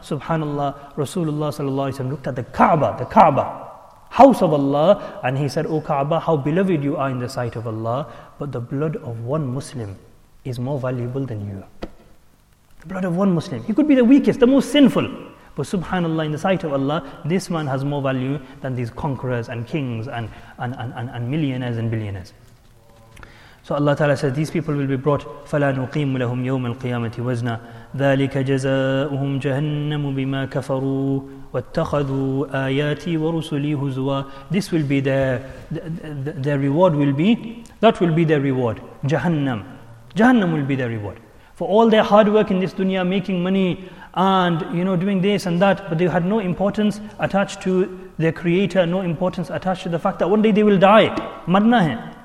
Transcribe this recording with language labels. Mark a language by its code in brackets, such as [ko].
[en] Subhanallah, Rasulullah sallallahu alayhi wa sallam looked at the Kaaba, house of Allah, and he said, O Kaaba, how beloved you are in the sight of Allah, but the blood of one Muslim is more valuable than you. The blood of one Muslim. He could be the weakest, the most sinful. But subhanallah, in the sight of Allah, this man has more value than these conquerors and kings and millionaires and billionaires. So Allah Ta'ala says, these people will be brought, [ar] فَلَا نُقِيمُ لَهُمْ يَوْمَ الْقِيَامَةِ وَزْنًا ذَلِكَ جَزَاؤُهُمْ جَهَنَّمُ بِمَا كَفَرُوا وَاتَّخَذُوا آيَاتِي وَرُسُلِي هُزُوًا. [en] This will be their reward will be, that will be their reward, Jahannam. Jahannam will be their reward. For all their hard work in this dunya, making money and, you know, doing this and that, but they had no importance attached to their creator, no importance attached to the fact that one day they will die. [ur] Marna hai.